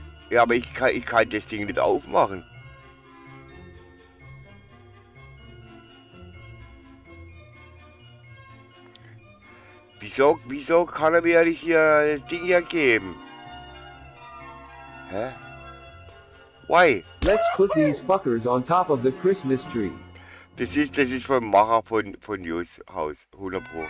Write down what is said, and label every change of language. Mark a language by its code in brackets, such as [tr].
[de] Ja, aber ich kann das Ding nicht aufmachen. Wieso kann er mir nicht hier das Ding hier geben? Hä? [en] Why? Let's put these fuckers on top of the Christmas tree. [de] Das ist vom Macher von Jus Haus, 100%.